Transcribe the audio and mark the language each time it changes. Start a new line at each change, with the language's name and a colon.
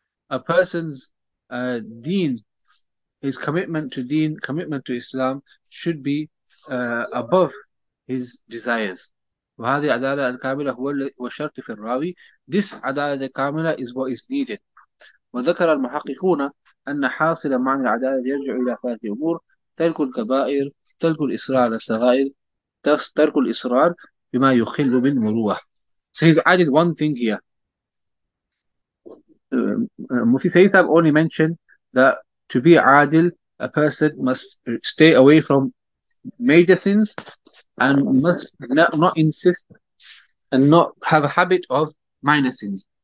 English: A person's deen, his commitment to deen, commitment to Islam, should be above his desires.
Arabic: وهذه عدالة الكاملة هو الشرط في الراوي.
English: This عدالة الكاملة is what is needed.
Arabic: وذكر المحققون أن حاصل معنى العدالة يرجع إلى ثلاث أمور: ترك الكبائر، ترك الإصرار على الصغائر، ترك الإصرار بما يخل من مروءة.
English: So he's added one thing here. Mufti Saitab only mentioned that to be adil, a person must stay away from major sins and must not insist and not have a habit of minor sins.